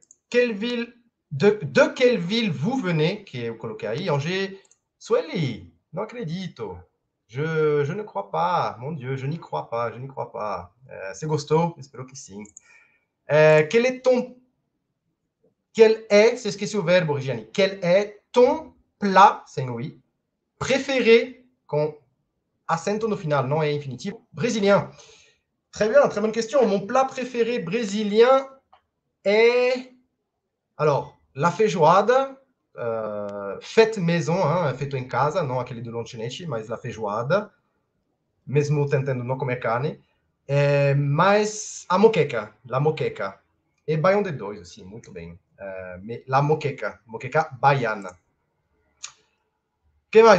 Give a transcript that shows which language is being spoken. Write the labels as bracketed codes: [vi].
[fr] De quelle ville vous venez, [pt] que eu coloquei aí, Angers, Sueli, não acredito. [fr] Je ne crois pas, mon Dieu, je n'y crois pas, je n'y crois pas. [pt] Você gostou? Espero que sim. [fr] Quel est, c'est ce que c'est le verbe, Gianni, quel est ton plat, c'est oui, préféré, [pt] com acento no final, não é infinitivo, [fr] brésilien. Très bien, très bonne question. Mon plat préféré brésilien est, alors, la feijoada. Faites maison, [pt] hein, feito em casa, não aquele do lanchonete, mas la feijoada, mesmo tentando não comer carne, mas a moqueca, la moqueca, e baião de dois, assim, muito bem, la moqueca, moqueca baiana. Que mais?